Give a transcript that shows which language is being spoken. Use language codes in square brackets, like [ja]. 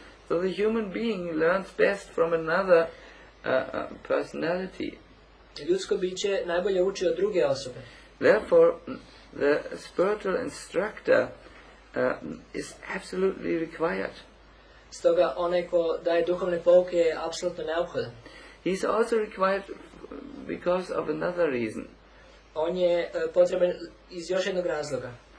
[en] So the human being learns best from another personality. [sr] Ljudsko biće najbolje uči od druge osobe. [en] Therefore, the spiritual instructor is absolutely required. [sr] Stoga onaj ko daje duhovne pouke je apsolutno neophodan. [en] He is also required because of another reason. [sr] On je potreban iz još jednog razloga.